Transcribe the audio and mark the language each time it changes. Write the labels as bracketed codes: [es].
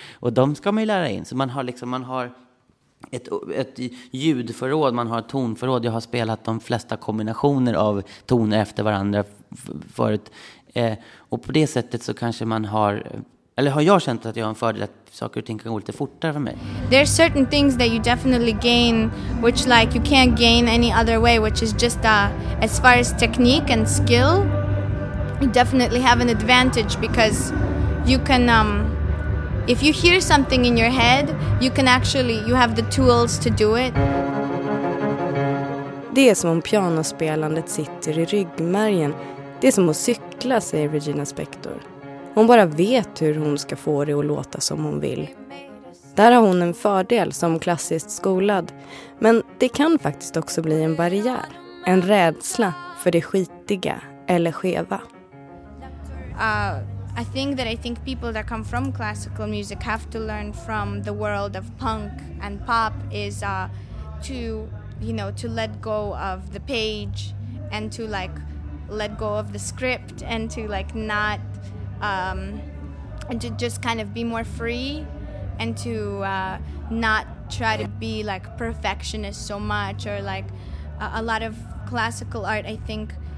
[sv] Och de ska man ju lära in. Så man har liksom, man har ett ljudförråd, man har ett tonförråd. Jag har spelat de flesta kombinationer av toner efter varandra förut. Och på det sättet så kanske man har... Eller har jag känt att jag har en fördel att saker och ting kan gå lite fortare för mig? [en] There are certain things that you definitely gain, which like you can't gain any other way, which is just as far as technique and skill, you definitely have an advantage because you can, if you hear something in your head, you can actually, you have the tools to do it. [sv] Det är som om pianospelandet sitter i ryggmärgen. Det är som att cykla, säger Regina Spektor. Hon bara vet hur hon ska få det att låta som hon vill. Där har hon en fördel som klassiskt skolad. Men det kan faktiskt också bli en barriär. En rädsla för det skitiga eller skeva. [en] I think people that come from classical music have to learn from the world of punk and pop is to let go of the page and to like let go of the script and to like not and to just kind of be more free and to not try to be like perfectionist so much or like a lot of classical art, I think